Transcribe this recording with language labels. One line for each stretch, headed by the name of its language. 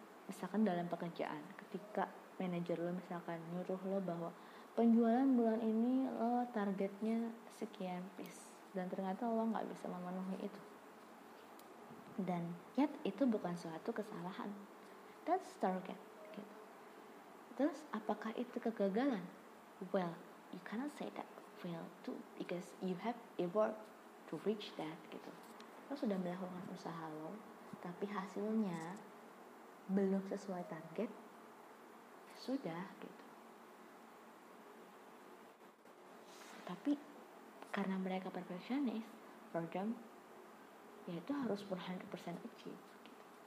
Indonesian: misalkan dalam pekerjaan, ketika manajer lo misalkan nyuruh lo bahwa penjualan bulan ini lo targetnya sekian piece, dan ternyata lo gak bisa memenuhi itu, dan yet itu bukan suatu kesalahan,
English: that's target
Indonesian: gitu. Terus apakah itu kegagalan?
English: Well, you cannot say that fail too, because you have effort to reach that gitu.
Indonesian: Lo sudah melakukan usaha lo, tapi hasilnya belum sesuai target, sudah gitu. Tapi karena mereka perfectionist,
English: for them
Indonesian: ya itu harus 100% achieve gitu.